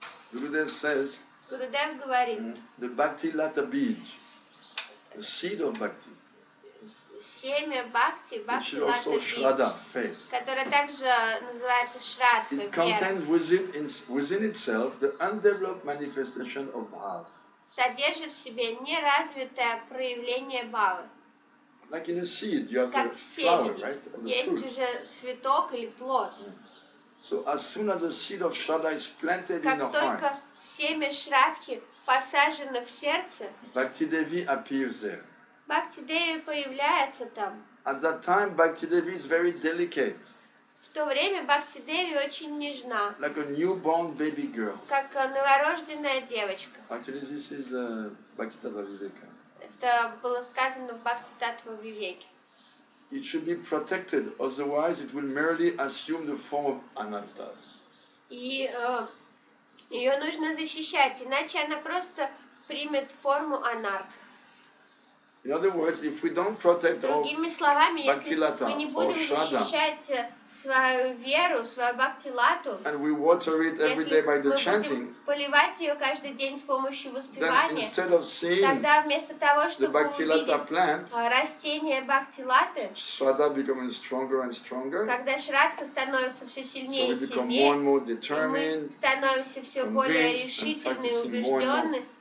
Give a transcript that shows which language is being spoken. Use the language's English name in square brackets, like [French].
[English] Gurudev says, [Russian] Gurudev говорит, [English] the bhakti lata bij, the seed of bhakti, [Russian] семя бхакти, [English] which is also shraddha, faith, [Russian] которая также называется шрадхой, [English] it contains within itself the undeveloped manifestation of bhava. [Russian] Содержит в себе неразвитое проявление бхавы. [English] Like in a seed, you have the flower, right? The [Russian] есть уже цветок или плод. [English] So as soon as the seed of shraddha is planted [Russian] как [English] in the heart, [Russian] как только семя шрадхи посажено в сердце, [English] Bhakti Devi appears there. [Russian] Бхакти Деви появляется там. [English] At that time, Bhakti Devi is very delicate. [Russian] В то время Бхакти Деви очень нежна. [English] Like a newborn baby girl. [Russian] Как новорожденная девочка. [English] Actually, this is Bhakti Tattva Viveka. [Russian] Это было сказано в Бхакти Таттва Вивеке. [English] It should be protected, otherwise it will merely assume the form of anattas. [Russian] И ее нужно защищать, иначе она просто примет форму анарт. [English] In other words, if we don't protect our [Russian] bhakti lata, другими словами, если мы не будем защищать свою веру, свою бхакти лату, [English] and we water it every day by the chanting, [Russian] если мы будем поливать ее каждый день с помощью воспевания, [English] instead of seeing, [Russian] тогда вместо того, чтобы увидеть [English] plant, [Russian] растение бхакти латы, [English] shraddha becoming stronger and stronger, [Russian] когда шрадха становится все сильнее [English] so [Russian] и сильнее, [English] more and more determined, [Russian] мы становимся все более решительны и убежденны,